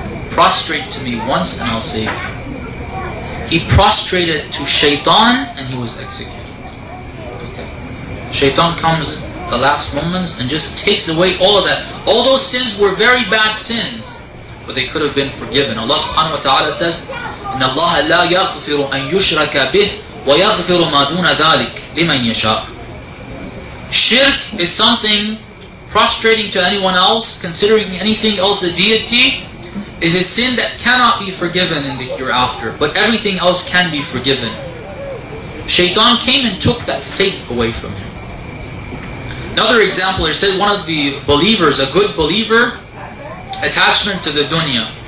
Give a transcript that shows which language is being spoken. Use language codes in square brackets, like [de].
[en] Prostrate to me once and I'll save you. He prostrated to Shaitan and he was executed. Okay. Shaitan comes the last moments and just takes away all of that. All those sins were very bad sins, but they could have been forgiven. Allah subhanahu wa ta'ala says, [ar] إِنَّ اللَّهَ لَا يَغْفِرُ أَن يُشْرَكَ بِهِ وَيَغْفِرُ مَا دُونَ ذَلِكَ لِمَن يَشَاءُ. [en] Shirk is something, prostrating to anyone else, considering anything else a deity, is a sin that cannot be forgiven in the hereafter, but everything else can be forgiven. Shaitan came and took that faith away from him. Another example, it said one of the believers, a good believer, attachment to the dunya.